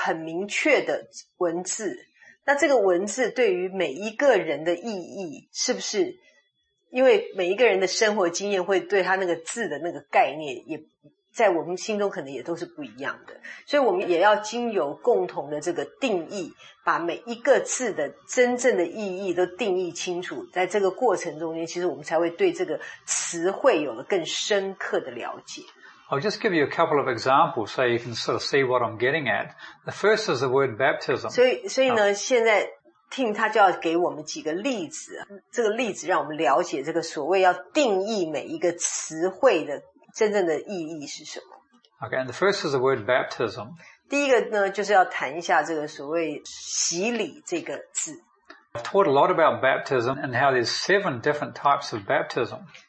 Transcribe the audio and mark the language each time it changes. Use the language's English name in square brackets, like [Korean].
[Chinese] 就即使是我们现在有了很明确的文字, 那这个文字对于每一个人的意义是不是, 因为每一个人的生活经验会对他那个字的那个概念也, 在我们心中可能也都是不一样的。所以我们也要经由共同的这个定义, 把每一个字的真正的意义都定义清楚, 在这个过程中间其实我们才会对这个词汇有了更深刻的了解。 [English] I'll just give you a couple of examples so you can sort of see what I'm getting at. The first is the word baptism. [Chinese] 所以呢，现在Tim他就要给我们几个例子, 这个例子让我们了解这个所谓要定义每一个词汇的真正的意义是什么。 [English] Okay, and the first is the word baptism. [Chinese] 第一个呢，就是要谈一下这个所谓洗礼这个字。 [English] I've taught a lot about baptism and how there's seven different types of baptism.